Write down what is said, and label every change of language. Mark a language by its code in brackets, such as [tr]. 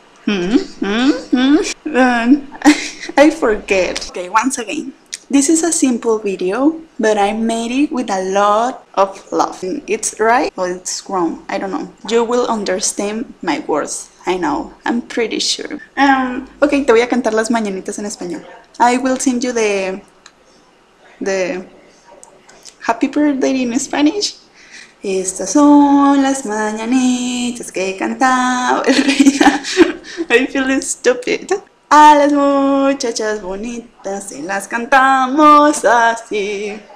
[en] I forget. Okay, once again. This is a simple video, but I made it with a lot of love. It's right or it's wrong, I don't know. You will understand my words, I know, I'm pretty sure. [es] Okay, te voy a cantar las mañanitas en español. [en] I will sing you the happy birthday in Spanish. [es] Estas son las mañanitas que he cantado el rey. [en] I feel stupid. [es] A las muchachas bonitas se las cantamos así.